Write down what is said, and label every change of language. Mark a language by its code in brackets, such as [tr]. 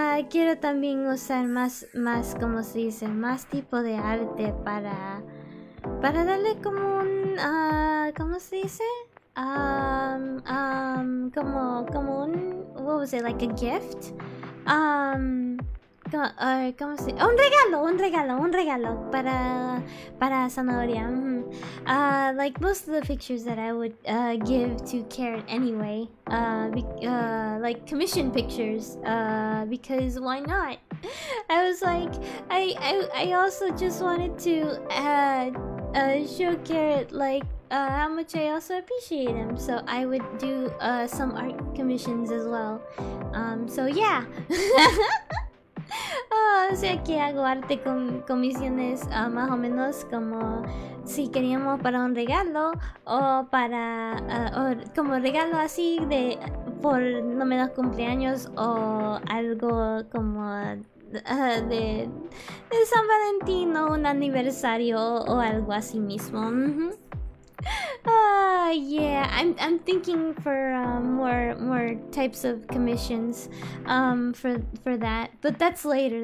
[es] quiero también usar más como se dice, más tipo de arte para darle como un ¿cómo se dice? Como un [en] what was it, like a gift? [es] ¿Cómo se dice? Un regalo para Zanahoria. [en] Like most of the pictures that I would give to Karen anyway. Like commission pictures. Because why not? I was like, I also just wanted to show Karen like how much I also appreciate him. So I would do some art commissions as well. So yeah. [es] Oh, o sea que hago arte con comisiones más o menos como si queríamos para un regalo o para o como regalo así de por no menos cumpleaños o algo como de San Valentín o un aniversario o algo así mismo. [en] I'm thinking for more types of commissions for that, but that's later.